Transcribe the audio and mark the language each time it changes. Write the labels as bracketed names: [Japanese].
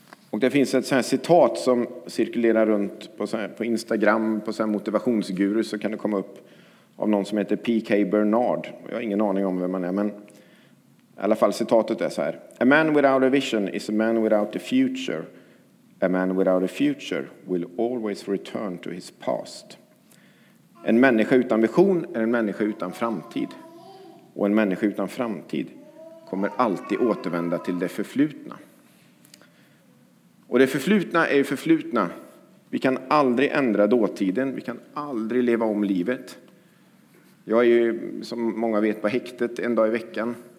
[Swedish] Och det finns ett sånt här citat som cirkulerar runt på Instagram, på sån här motivationsguru, så kan det komma upp av någon som heter P.K. Bernard. Jag har ingen aning om vem man är, men i alla fall citatet är så här: [English] "A man without a vision is a man without a future. A man without a future will always return to his past." [Swedish] En människa utan vision är en människa utan framtid. Och en människa utan framtid kommer alltid återvända till det förflutna. Och det förflutna är ju förflutna. Vi kan aldrig ändra dåtiden. Vi kan aldrig leva om livet. Jag är ju, som många vet, på häktet en dag i veckan.